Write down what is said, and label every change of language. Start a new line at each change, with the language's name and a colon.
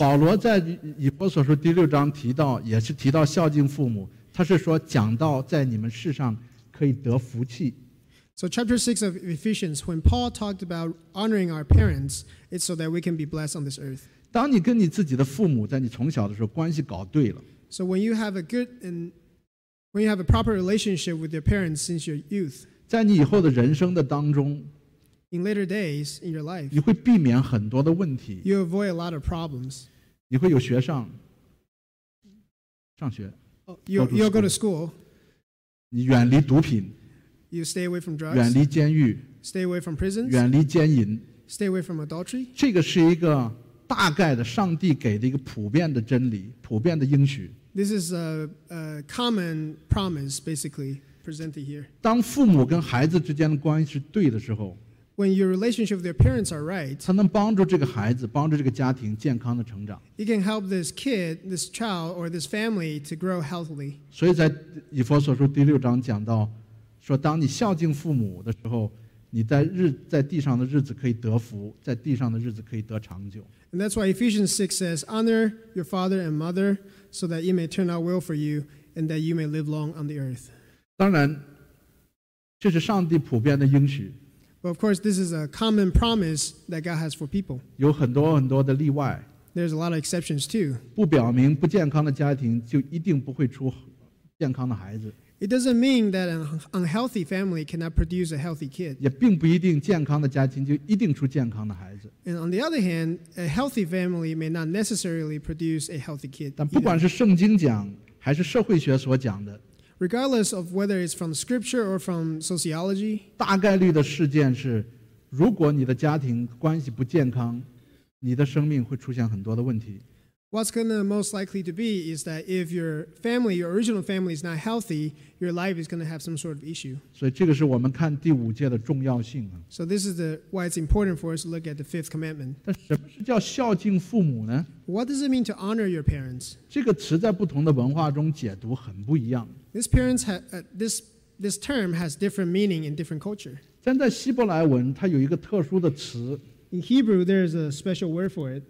Chinese: 保罗在以弗所书第六章提到，也是提到孝敬父母，他是说讲到在你们世上可以得福气。
English: So chapter 6 of Ephesians, when Paul talked about honoring our parents, it's so that we can be blessed on this earth.
Chinese: 当你跟你自己的父母在你从小的时候关系搞对了。
English: So when you have a proper relationship with your parents since your youth,
Chinese: 在你以后的人生的当中，
English: In later days in your life,
Chinese: 你会避免很多的问题。
English: You avoid a lot of problems.
Chinese: 你会有学上学。
English: You'll go to school.
Chinese: 你远离毒品。
English: You stay away from drugs.
Chinese: 远离监狱。
English: Stay away from prisons.
Chinese: 远离奸淫。
English: Stay away from adultery.
Chinese: 这个是一个大概的上帝给的一个普遍的真理，普遍的应许。
English: This is a common promise, basically presented here.
Chinese: 当父母跟孩子之间的关系是对的时候。
English: When your relationship with your parents are right,
Chinese: 才能帮助这个孩子，帮助这个家庭健康的成长。
English: It can help this kid, this child, or this family to grow healthily.
Chinese: 所以在以弗所书第六章讲到，说当你孝敬父母的时候，你在地上的日子可以得福，在地上的日子可以得长久。
English: And that's why Ephesians 6 says, honor your father and mother, so that it may turn out well for you, and that you may live long on the earth.
Chinese: 当然，这是上帝普遍的应许。
English: But of course, this is a common promise that God has for people.
Chinese: 有很多很多的例外。
English: There's a lot of exceptions too.
Chinese: 不表明不健康的家庭就一定不会出健康的孩子。
English: It doesn't mean that an unhealthy family cannot produce a healthy kid.
Chinese: 也并不一定健康的家庭就一定出健康的孩子。
English: And on the other hand, a healthy family may not necessarily produce a healthy kid.
Chinese: 但不管是圣经讲还是社会学所讲的。
English: Regardless of whether it's from scripture or from sociology,
Chinese: 大概率的事件是，如果你的家庭关系不健康，你的生命会出现很多的问题。
English: What's going to most likely to be is that if your family, your original family is not healthy, your life is going to have some sort of issue.
Chinese: 所以这个是我们看第五诫的重要性啊。
English: So this is why it's important for us to look at the fifth commandment.
Chinese: 但什么是叫孝敬父母呢?
English: What does it mean to honor your parents?
Chinese: 这个词在不同的文化中解读很不一样。
English: This term has different meaning in different culture.
Chinese: 但在希伯来文它有一个特殊的词。
English: In Hebrew, there is a special word for it.